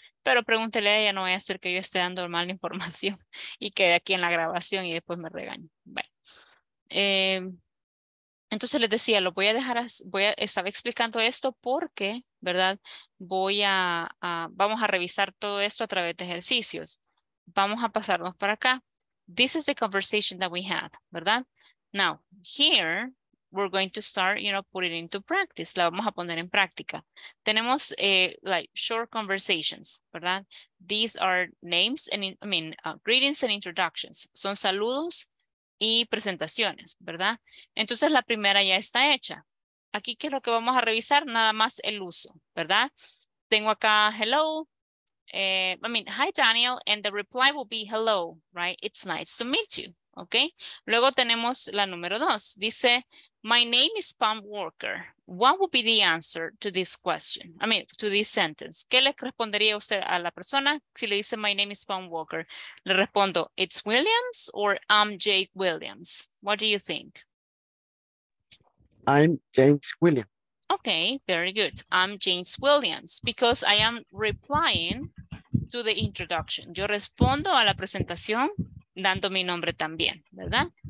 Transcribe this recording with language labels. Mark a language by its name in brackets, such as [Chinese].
[Spanish] Pero pregúntele a ella, no vaya a ser que yo esté dando mal información y quede aquí en la grabación y después me regañe. Bueno, entonces les decía, lo voy a dejar, estaba explicando esto porque, ¿verdad? Vamos a revisar todo esto a través de ejercicios. Vamos a pasarnos para acá. [English] This is the conversation that we had, [Spanish] ¿verdad? [English] Now, here, we're going to start, you know, putting it into practice. [Spanish] La vamos a poner en práctica. Tenemos, [English] like, short conversations, [Spanish] ¿verdad? [English] These are names and, greetings and introductions. [Spanish] Son saludos y presentaciones, ¿verdad? Entonces, la primera ya está hecha. Aquí, ¿qué es lo que vamos a revisar? Nada más el uso, ¿verdad? Tengo acá, hello. [English] Hi, Daniel, and the reply will be hello, right? It's nice to meet you, okay? [Spanish] Luego tenemos la número dos. [English] Dice, my name is Pam Walker. What would be the answer to this question? To this sentence. [Spanish] ¿Qué le respondería usted a la persona si le dice, [English] my name is Pam Walker? [Spanish] Le respondo, [English] it's Williams or I'm Jake Williams. What do you think? I'm James Williams. Okay, very good. I'm James Williams because I am replying to the introduction. [Spanish] Yo respondo a la presentación dando mi nombre también, ¿verdad?